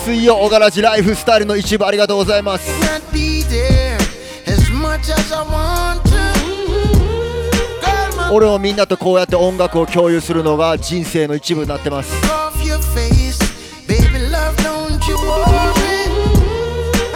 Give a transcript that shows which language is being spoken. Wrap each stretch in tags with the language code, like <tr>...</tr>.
<ja>水曜オガラジライフスタイルの一部ありがとうございます。</ja> <en>Not be there as much as I want to.</en> <ja>俺もみんなとこうやって音楽を共有するのが人生の一部になってます。</ja> <en>Off your face, baby love, don't you want me?</en>